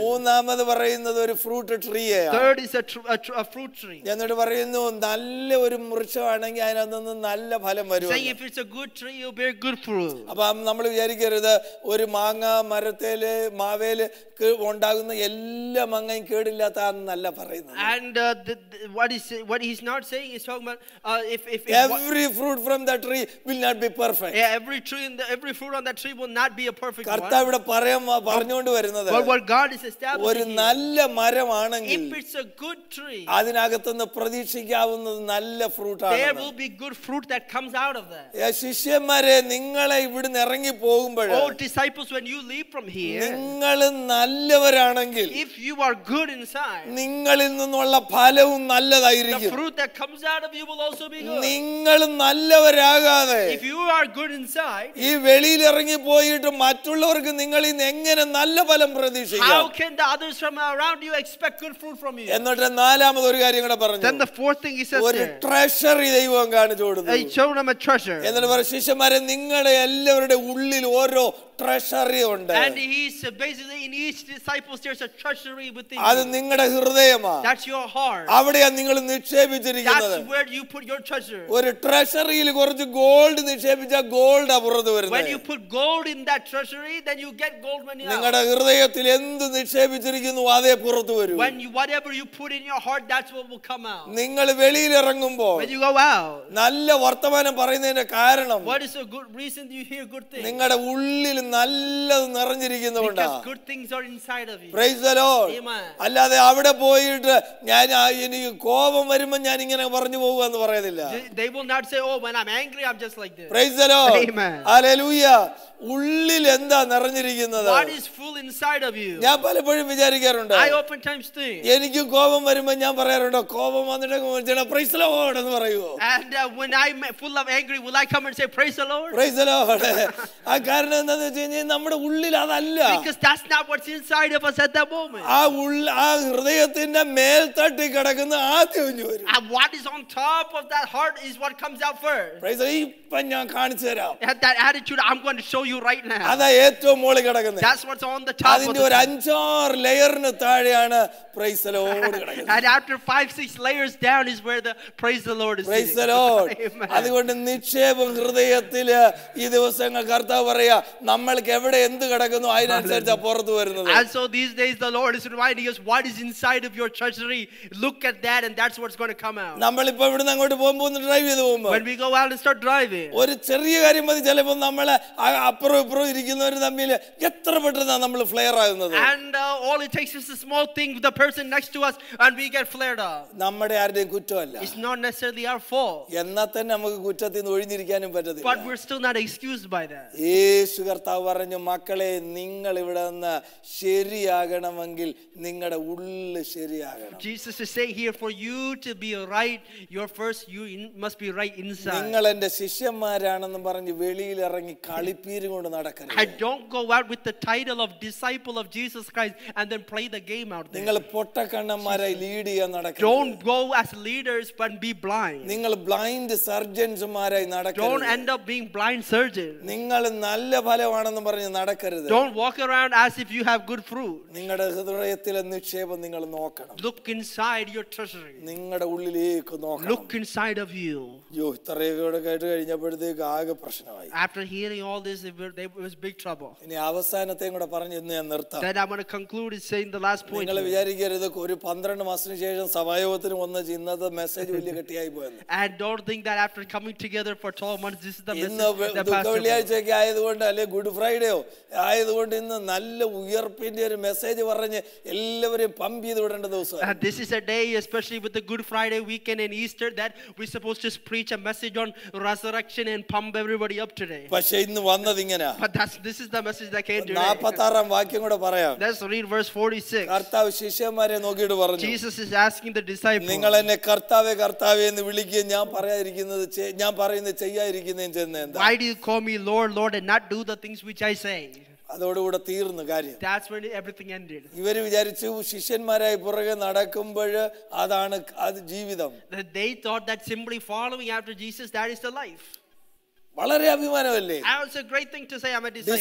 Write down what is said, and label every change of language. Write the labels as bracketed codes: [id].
[ml] മൂന്നാമത് പറയുന്നത് ഒരു fruit ട്രീയാ. [en] Third is a fruit tree. [ml] എന്നോട് പറയുന്നു നല്ല ഒരു മുറിച്ചാണെങ്കിൽ അതിനകത്ത് നിന്ന് നല്ല ഫലം വരും. [en] Saying if it's a good tree you'll bear good fruit. [ml] അപ്പോൾ നമ്മൾ വിചാരിക്കരുത് ഒരു മാങ്ങ മരത്തിലെ മാവേല് ഉണ്ടാകുന്ന എല്ലാ മാങ്ങയും കേടില്ലാത്തതാണെന്ന് അല്ല പറയുന്നത്. [en] And what he's not saying is talking about if every fruit from that tree will not be perfect. Yeah, every fruit on that tree will not be a perfect one. [ml] കർത്താവ് ഇവിടെ പറഞ്ഞുകൊണ്ട് വരുന്നത് ഒരു നല്ല മരമാണെങ്കിൽ [en] if it's a good tree [ml] അതിനകത്ത് നിന്ന് പ്രതീക്ഷിക്കാവുന്ന നല്ല fruit ആണ്. [en] There will be good fruit that comes out of that. [ml] യേ ശിഷ്യന്മാരെ നിങ്ങളെ ഇവിടെ നിന്ന് ഇറങ്ങി പോകുമ്പോൾ [en] oh disciples when you leave from here [ml] നിങ്ങൾ നല്ലവരാണെങ്കിൽ [en] if you are good inside [ml] നിങ്ങളിൽ നിന്നുള്ള ഫലവും നല്ലതായിരിക്കും. [en] The fruit that comes out of you will also be good. [ml] നിങ്ങൾ നല്ലവരാകാതെ [en] if you are good inside [ml] ഈ വെളിയിൽ ഇറങ്ങി പോയിട്ട് മറ്റുള്ളവർക്ക് നിങ്ങളിൽ നിന്ന് എങ്ങനെ നല്ല ഫലം പ്രതീക്ഷിക്കാം? [en] How can the others from around you expect good fruit from you? [ml] എന്നിട്ട് നാലാമത് ഒരു കാര്യം കൂടി പറഞ്ഞു. [en] Then the fourth thing he says [ml] ഒരു ട്രഷറി ദൈവം കാണിച്ചു കൊടുത്തു. [en] He showed him a treasure. [ml] എന്നിട്ട് പറഞ്ഞു ശിഷ്യന്മാരെ നിങ്ങളുടെ എല്ലാവരുടെ ഉള്ളിൽ ഓരോ ട്രഷറി ഉണ്ട്. [en] And he's basically in each disciple there's a treasury within you. [ml] അത് നിങ്ങളുടെ ഹൃദയമാണ്. [en] That's your heart. [ml] അവിടെയാണ് നിങ്ങൾ നിക്ഷേപിച്ചിരിക്കുന്നത്. [en] That's where you put your treasure. [ml] ഒരു ട്രഷറിയിൽ കുറച്ച് ഗോൾഡ് നിക്ഷേപിച്ചാൽ ഗോൾഡ് അപ്പുറത്ത് വരുന്നു. [en] When you put gold in that treasury then you get gold money out. [ml] നിങ്ങളുടെ ഹൃദയത്തിൽ എന്ത് നിക്ഷേപിച്ചിരിക്കുന്നു അതേ പുറത്തു വരും. [en] When you whatever you put in your heart that's what will come out. [ml] നിങ്ങൾ വെളിയിൽ ഇറങ്ങുമ്പോൾ [en] when you go out [ml] നല്ല വർത്തമാനം പറയുന്നതിന്റെ കാരണം [en] what is a good reason you hear good things? [ml] നിങ്ങളുടെ ഉള്ളിൽ നല്ലത് നിറഞ്ഞിരിക്കുന്നതുകൊണ്ടാണ്. [en] Because good things are inside of you. Praise the Lord. Amen. [ml] അല്ലാതെ അവിടെ പോയിട്ട് ഞാൻ ഇനി കോപം വരുമ്പോൾ ഞാൻ ഇങ്ങനെ പറഞ്ഞു പോവുക എന്ന് പറയുന്നില്ല. [en] They will not say oh when I'm angry I'm just like this. Praise the Lord. Amen. [ml] Hallelujah. ഉള്ളിൽ എന്താ നിറഞ്ഞിരിക്കുന്നത്? [en] What is full inside of you? [ml] ഞാൻ പലപ്പോഴും വിചാരിക്കാറുണ്ട്. [en] I often times think. [ml] എനിക്ക് കോപം വരുമ്പോൾ ഞാൻ പറയാറുണ്ട് കോപം വന്നിട്ടേ പ്രൈസ് ദി ലോർഡ് എന്ന് പറയുവോ? [en] And when I'm full of angry will I come and say praise the Lord? Praise the Lord. [ml] ആ കാരണം എന്താണെന്ന് വെച്ചാൽ നമ്മുടെ ഉള്ളിൽ അതല്ല. [en] Because that's not what's inside of us at that moment. [ml] ആ ഉള്ളിൽ ആ ഹൃദയത്തിന്റെ മേൽത്തട്ടിൽ കിടക്കുന്ന ആദ്യം ഇഞ്ഞു വരും. [en] And what is on top of that heart is what comes out first. Praise the Lord. [ml] ഇപ്പോൾ ഞാൻ കാണിച്ചു തരാം. [en] And that attitude I'm going to show you right now. [ml] അതാ ഏറ്റവും മുകളിൽ കിടക്കുന്നത്. [en] That's what's on the top. [ml] അതിന്റെ ഒരു അഞ്ചാറ് ലെയറിന് താഴെയാണ് പ്രൈസ് ദി ലോർഡ് കിടക്കുന്നത്. [en] And after 5-6 layers down is where the praise the Lord is. Praise the Lord. [ml] അതുകൊണ്ട് നിക്ഷേപം ഹൃദയത്തിൽ ഈ ദിവസങ്ങൾ കർത്താവ് പറയാ നമ്മൾക്ക് എവിടെ എന്ത് കിടക്കുന്നു അതിനനുസരിച്ച് പുറത്തു വരുന്നത്. [en] And so these days the Lord is reminding us what is inside of your treasury. Look at that and that's what's going to come out. [ml] നമ്മൾ ഇപ്പോ ഇവിടുന്ന് അങ്ങോട്ട് പോകുമ്പോൾ ഡ്രൈവ് ചെയ്തു പോകുമ്പോൾ [en] when we go out and start driving [ml] ഒരു ചെറിയ കാര്യം മതി ചിലപ്പോൾ നമ്മൾ അപ്പുറം ഇപ്പുറം ഇരിക്കുന്നവർ തമ്മിൽ എത്ര പെട്ടെന്നാണ് നമ്മൾ ഫ്ലെയർ ആകുന്നത്. [en] And all it takes is a small thing with the person next to us and we get flared up. [ml] നമ്മുടെ ആരുടെയും കുറ്റമല്ല. [en] It's not necessarily our fault. [ml] എന്നാ തന്നെ നമുക്ക് കുറ്റത്തിൽ നിന്ന് ഒഴിഞ്ഞിരിക്കാനും പറ്റില്ല. [en] But we're still not excused by that. [ml] യേശു കർത്താവ് പറഞ്ഞു മക്കളെ നിങ്ങൾ ഇവിടെ നിന്ന് ശരിയാകണമെങ്കിൽ നിങ്ങളുടെ ഉള്ളിൽ ശരിയാകണം. [en] Jesus is saying here for you to be right your first you must be right inside. [ml] നിങ്ങൾ എൻ്റെ ശിഷ്യന്മാരാണെന്ന് പറഞ്ഞു വെളിയിൽ ഇറങ്ങി കളിപ്പീരും കൊണ്ട് നടക്കരുത്. [en] I don't go out with the title of disciple of Jesus Christ and then play the game out there. [ml] നിങ്ങൾ പൊട്ടക്കണ്ണന്മാരായി lead ചെയ്യാൻ നടക്കരുത്. [en] Don't go as leaders but be blind. [ml] നിങ്ങൾ ബ്ലൈൻഡ് സർജൻസ്മാരായി നടക്കരുത്. [en] Don't end up being blind surgeons. [ml] നിങ്ങൾ നല്ല ഫലമാണെന്ന് പറഞ്ഞ് നടക്കരുത്. [en] Don't walk around as if you have good fruit. [ml] നിങ്ങളുടെ ഹൃദയത്തിലെ നിക്ഷേപം നിങ്ങൾ നോക്കണം. [en] Look inside your treasury. [ml] നിങ്ങളുടെ ഉള്ളിലേക്ക് നോക്കണം. [en] Look inside of you. [ml] യോ ഇത്രയൊക്കെ കേട്ട് കഴിഞ്ഞപ്പോഴത്തേക്ക് ആകെ പ്രശ്നമായി. [en] After hearing all this it was big trouble. [ml] ഇനി അവസാനത്തെയും കൂടി പറഞ്ഞു ഇന്ന് ഞാൻ നിർത്താം. [en] Then I'm going to conclude saying the last point. [ml] നിങ്ങൾ വിചാരിക്കരുത് ഒരു 12 മാസത്തിന് ശേഷം സഭായോഗത്തിന് വന്ന ഇന്നത്തെ മെസ്സേജ് വലിയ കെട്ടിയായി പോയെന്ന്. [en] And don't think that after coming together for 12 months this is the message that pastor. [ml] ഇന്ന് വെള്ളിയാഴ്ചയൊക്കെ ആയി ആയതുകൊണ്ട് അല്ലെങ്കിൽ ഗുഡ് ഫ്രൈഡേയോ ആയതുകൊണ്ട് ഇന്ന് നല്ല ഉയർപ്പിൻ്റെ ഒരു മെസ്സേജ് പറഞ്ഞ് എല്ലാവരെയും പമ്പ് ചെയ്ത് വിടേണ്ട ദിവസമാണ്. [en] This is a day especially with the Good Friday weekend and Easter that we supposed to preach a message on resurrection and pump everybody up today. [ml] പക്ഷേ ഇന്ന് വന്നത് ഇങ്ങനെ. [en] But this is the message that came today. [ml] 46th വാക്യം കൂടെ പറയാം. [en] Let's read verse 46. [ml] കർത്താവ് ശിഷ്യന്മാരെ നോക്കിയിട്ട് പറഞ്ഞു. [en] Jesus is asking the disciples. [ml] നിങ്ങൾ എന്നെ കർത്താവേ കർത്താവേ എന്ന് വിളിക്കുകയും ഞാൻ പറയുന്നത് ചെയ്യാതിരിക്കുന്നതും ചെയ്യുന്നതെന്താ? [en] Why do you call me Lord, Lord and not do the things which I say? [ml] അതോടുകൂടെ തീർന്നു കാര്യം. [en] That's when everything ended. [ml] ഇവര് വിചാരിച്ചു ശിഷ്യന്മാരായി പുറകെ നടക്കുമ്പോൾ അതാണ് ജീവിതം. [en] They thought that simply following after Jesus, that is the life. [ml] വളരെ അഭിമാനമല്ലേ? [en] It's a great thing to say I'm a disciple.